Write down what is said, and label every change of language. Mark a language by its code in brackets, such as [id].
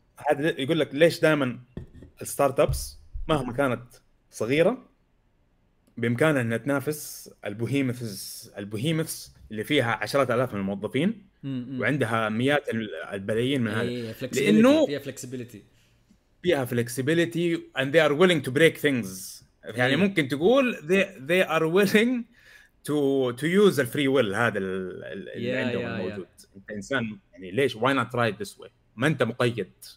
[ar] هذا يقول لك ليش دائما الستارت ابس مهما كانت صغيره بامكانها انها تنافس البوهيمث اللي فيها عشرات الاف من الموظفين وعندها مئات البلايين من هذا، لانه فيها فلكسبيليتي، فيها فلكسبيليتي [en] and they are willing to break things. [ar] يعني ممكن تقول [en] they are willing to use the free will [ar] هذا اللي عندهم موجود. انت انسان يعني ليش [en] why not try it this way، [ar] ما انت مقيد.